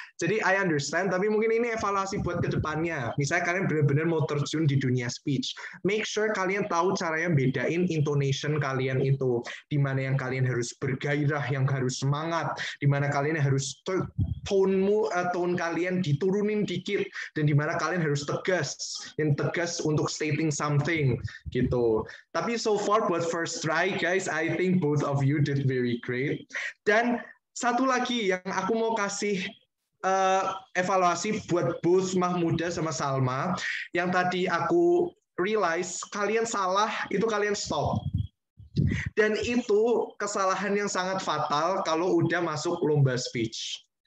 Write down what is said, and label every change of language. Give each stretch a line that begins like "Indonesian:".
Indonesian: jadi I understand, tapi mungkin ini evaluasi buat kedepannya, misalnya kalian benar-benar mau terjun di dunia speech,
English: make sure
Indonesian: kalian tahu caranya bedain intonation kalian itu, di mana yang kalian harus bergairah, yang harus semangat, di mana kalian harus tone kalian diturunin dikit, dan dimana kalian harus tegas, yang tegas untuk stating something gitu. Tapi
English: so far
Indonesian: buat
English: first try guys, I think both of you did very great.
Indonesian: Dan satu lagi yang aku mau kasih evaluasi buat both Mahmuda sama Salma, yang tadi aku realize kalian salah itu kalian stop. Dan itu kesalahan yang sangat fatal kalau udah masuk lomba speech.